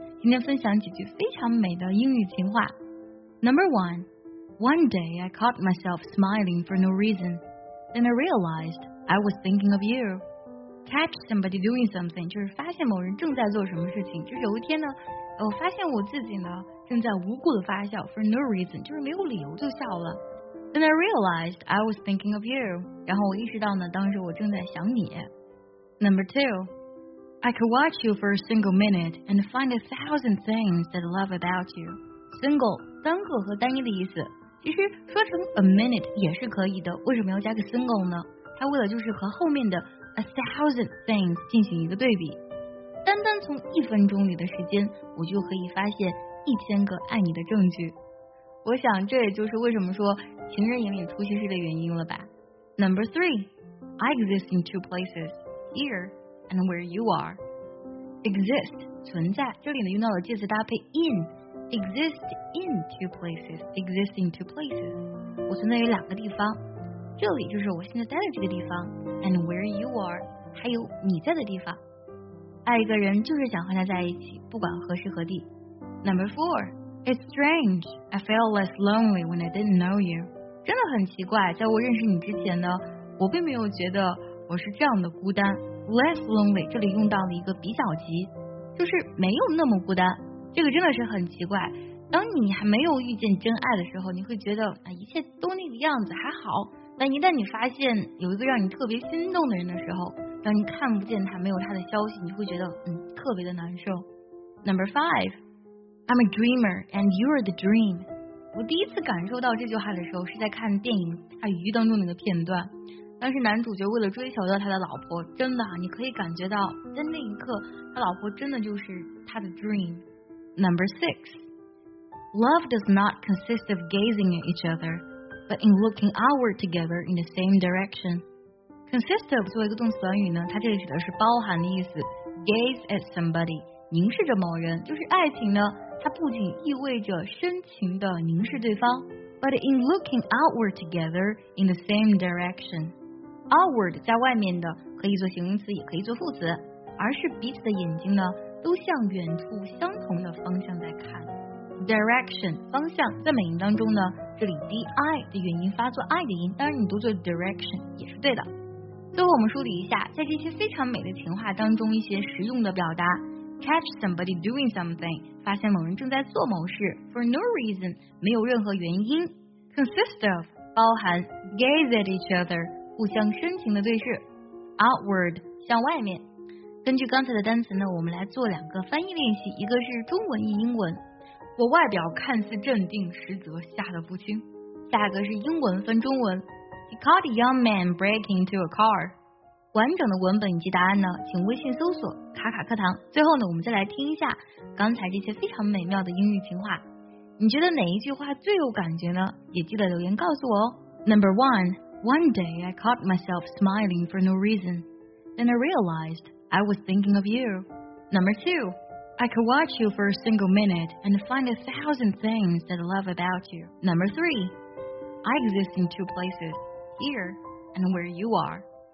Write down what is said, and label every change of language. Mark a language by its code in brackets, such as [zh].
[zh] 今天分享几句非常美的英语情话。 [en] Number one, one day I caught myself smiling for no reason, then I realized I was thinking of you. Catch somebody doing something [zh] 就是发现某人正在做什么事情。就是有一天呢，我发现我自己呢正在无故的发笑 ， [en] for no reason [zh] 就是没有理由就笑了。 [en] Then I realized I was thinking of you. [zh] 然后我意识到呢，当时我正在想你。 [en] Number two. I could watch you for a single minute and find a thousand things that I love about you. [zh] Single, 单个和单一的意思。其实说成 [en] a minute [zh] 也是可以的，为什么要加个 single 呢？它为了就是和后面的 [en] a thousand things [zh] 进行一个对比。单单从一分钟里的时间，我就可以发现一千个爱你的证据。我想这也就是为什么说情人眼里出西施的原因了吧。 [en] Number three, I exist in two places, here. And where you are, exist [zh] 存在这里呢用到了介词搭配 [en] in, exist in two places, exist in two places. [zh] 我存在于两个地方，这里就是我现在待的这个地方 ， [en] and where you are [zh] 还有你在的地方。爱一个人就是想和他在一起，不管何时何地。 [en] Number four, it's strange. I felt less lonely when I didn't know you. [zh] 真的很奇怪，在我认识你之前呢，我并没有觉得我是这样的孤单。 [en] Less lonely [zh] 这里用到了一个比较级，就是没有那么孤单。这个真的是很奇怪，当你还没有遇见真爱的时候，你会觉得一切都那个样子还好，但一旦你发现有一个让你特别心动的人的时候，当你看不见他没有他的消息，你会觉得特别的难受。 [en] Number five, I'm a dreamer and you're the dream. [zh] 我第一次感受到这句话的时候是在看电影大鱼当中那个片段，但是男主角为了追求到他的老婆，真的你可以感觉到在那一刻他老婆真的就是他的 dream。 [en] Number six, Love does not consist of gazing at each other but in looking outward together in the same direction. Consist of [zh] 作为一个动词短语呢，它这里指的是包含的意思。 [en] Gaze at somebody [zh] 凝视着某人，就是爱情呢它不仅意味着深情的凝视对方。 [en] But in looking outward together in the same direction. [zh] Outward 在外面的可以做形容词也可以做副词，而是彼此的眼睛呢都向远处相同的方向在看。 Direction 方向在美音当中呢，这里 DI 的元音发作 I 的音，当然你读作 direction 也是对的。最后我们梳理一下，在这些非常美的情话当中一些实用的表达。 [en] Catch somebody doing something, [zh] 发现某人正在做某事 [en] for no reason, [zh] 没有任何原因 [en] consist of, [zh] 包含 [en] gaze at each other, [zh] 互相深情的对视 [en] outward, [zh] 向外面。根据刚才的单词呢，我们来做两个翻译练习，一个是中文一英文。我外表看似镇定，实则吓得不轻。下一个是英文分中文。 [en] He caught a young man breaking into a car. [zh] 完整的文本以及答案呢，请微信搜索卡卡课堂。最后呢，我们再来听一下刚才这些非常美妙的英语情话。你觉得哪一句话最有感觉呢？也记得留言告诉我哦。 [en] Number one, one day I caught myself smiling for no reason, then I realized I was thinking of you. Number two, I could watch you for a single minute and find a thousand things that I love about you. Number three, I exist in two places, here and where you are.